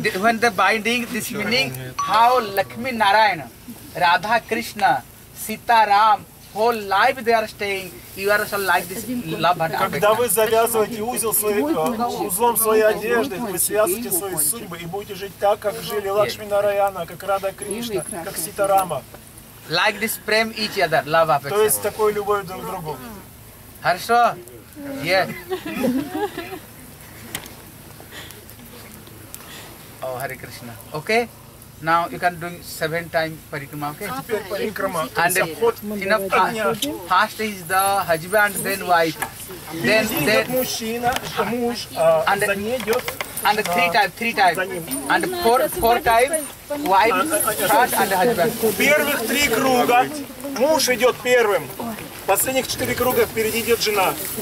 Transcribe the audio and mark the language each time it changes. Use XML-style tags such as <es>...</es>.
<en>When the binding, this meaning, how Lakshmi Narayana, Radha Krishna, Sita Ram, whole life they are staying, you are also like this love and affection.</en> <ru>Когда вы завязываете узел узлом своей одежды, вы связываете свои судьбы и будете жить так, как жили Лакшми Нараяна, как Радха Кришна, как Сита Рама.</ru> <en>Like this, prem each other, love affection.</en> <ru>То есть такой любовь друг к другу. Хорошо?</ru> <en>Yes. Oh, Hare Krishna. Okay? Now you can do 7 times parikrama, okay?</en> <ru>Теперь парикрама.</ru> <en>And in a fast is the husband, then wife.</en> <ru>Then идет мужчина, муж, за ней идет.</ru> <en>And three times. And four times, wife, first and husband.</en> <ru>Первых три круга муж идет первым. Последних 4 круга впереди идет жена.</ru>